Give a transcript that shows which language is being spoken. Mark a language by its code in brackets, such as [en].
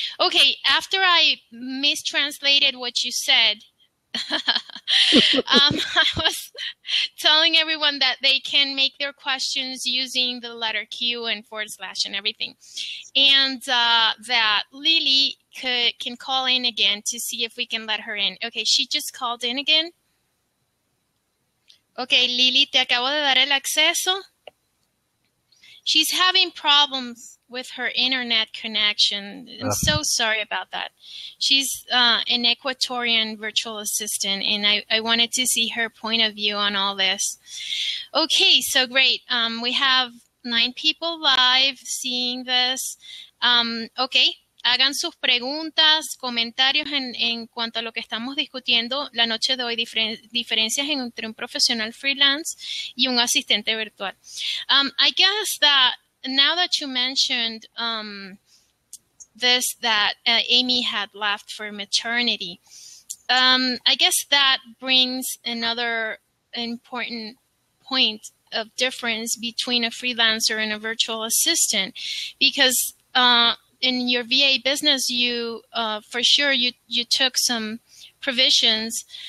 [en] Okay, after I mistranslated what you said, I was telling everyone that they can make their questions using the letter Q and forward slash and everything. And that Lily can call in again to see if we can let her in. Okay, she just called in again. [es] Okay, Lily, te acabo de dar el acceso. [en] She's having problems with her internet connection. I'm so sorry about that. She's an Ecuadorian virtual assistant, and I wanted to see her point of view on all this. Okay, so great. We have 9 people live seeing this. [es] Okay, hagan sus preguntas, comentarios en cuanto a lo que estamos discutiendo la noche de hoy, diferencias entre un profesional freelance y un asistente virtual. [en] I guess that now that you mentioned this, that Amy had left for maternity, I guess that brings another important point of difference between a freelancer and a virtual assistant, because in your VA business, you for sure you took some provisions